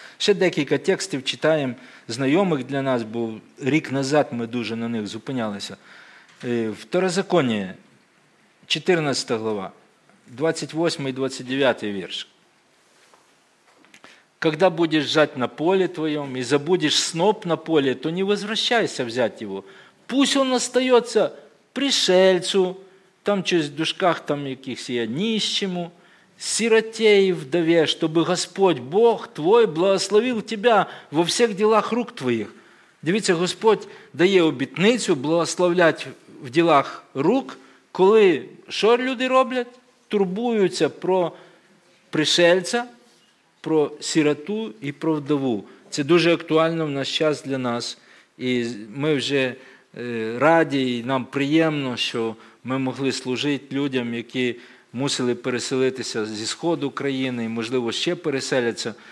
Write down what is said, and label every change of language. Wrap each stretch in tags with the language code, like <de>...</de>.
<uk>Ще декілька текстів читаємо, знайомих для нас, бо рік назад ми дуже на них зупинялися. Второзаконія, 14 глава, 28-29 вірш. «Когда будеш жать на полі твоєму і забудеш сноп на полі, то не возвращайся взять його.</uk> <ru>Пусть он остається пришельцю,</ru> <uk>там щось в дужках, там якихось є нищему,</uk> <ru>сироте и вдове, чтобы Господь, Бог твой, благословил тебя во всех делах рук твоих.</ru> <uk>Дивіться, Господь дає обітницю благословлять в ділах рук, коли що люди роблять? Турбуються про пришельця, про сироту і про вдову. Це дуже актуально в наш час для нас. І ми вже раді, і нам приємно, що ми могли служити людям, які мусили переселитися зі сходу країни, і, можливо, ще переселяться.</uk>